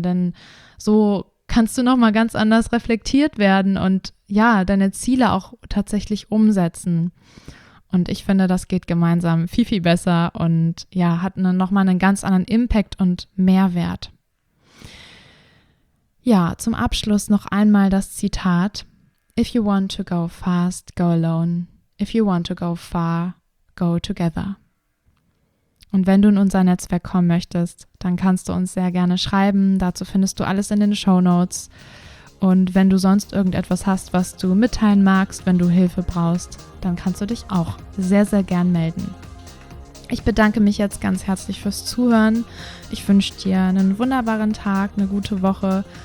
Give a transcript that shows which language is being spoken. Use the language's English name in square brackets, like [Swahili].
[German] Denn so kannst du nochmal ganz anders reflektiert werden und ja, deine Ziele auch tatsächlich umsetzen. Und ich finde, das geht gemeinsam viel, viel besser und ja, hat nochmal einen ganz anderen Impact und Mehrwert. Ja, zum Abschluss noch einmal das Zitat. [English] If you want to go fast, go alone. If you want to go far, go together. [German] Und wenn du in unser Netzwerk kommen möchtest, dann kannst du uns sehr gerne schreiben. Dazu findest du alles in den Shownotes. Und wenn du sonst irgendetwas hast, was du mitteilen magst, wenn du Hilfe brauchst, dann kannst du dich auch sehr, sehr gern melden. Ich bedanke mich jetzt ganz herzlich fürs Zuhören. Ich wünsche dir einen wunderbaren Tag, eine gute Woche.